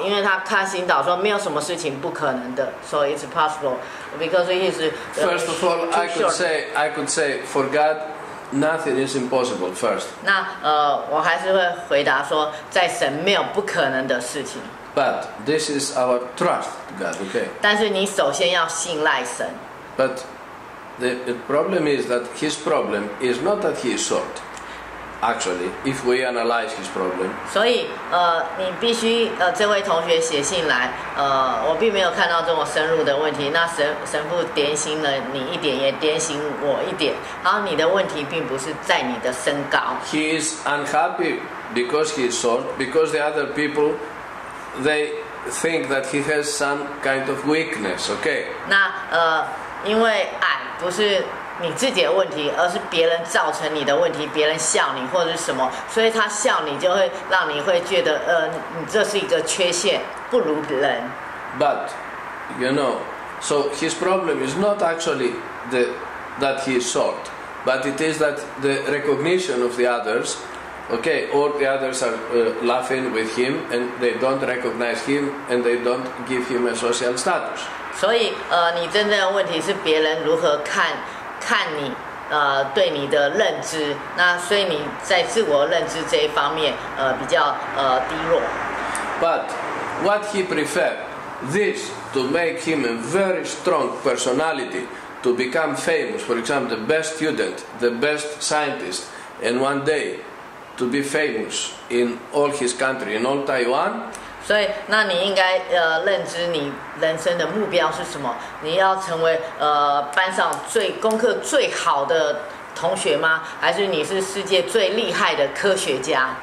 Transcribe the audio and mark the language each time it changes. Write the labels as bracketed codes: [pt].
[zh] 因为他看心祷说没有什么事情不可能的 ， [en] so it's possible because he's first of all I could say for God nothing is impossible first. [zh] 那我还是会回答说，在神没有不可能的事情。 [en] But this is our trust God, okay? [zh] 但是你首先要信赖神。 [en] But The problem is that his problem is not that he is short. Actually, if we analyze his problem. [zh] 所以，你必须这位同学写信来，我并没有看到这么深入的问题。那神父点醒了你一点，也点醒我一点。然后你的问题并不是在你的身高。 [en] He is unhappy because he is short. Because the other people, they think that he has some kind of weakness. Okay. [zh] 那因为矮。不是你自己的问题，而是别人造成你的问题，别人笑你或者是什么，所以他笑你就会让你会觉得，你这是一个缺陷，不如人。 [en] But you know, so his problem is not actually that he is short, but it is that the recognition of the others, okay, all the others are laughing with him and they don't recognize him and they don't give him a social status. [zh] 所以，你真正的问题是别人如何看你，对你的认知。那所以你在自我认知这一方面，比较低落。 [en] But what he preferred this to make him a very strong personality to become famous, for example, the best student, the best scientist, and one day to be famous in all his country, in all Taiwan. [zh] 所以，那你应该认知你人生的目标是什么？你要成为班上最功课最好的同学吗？还是你是世界最厉害的科学家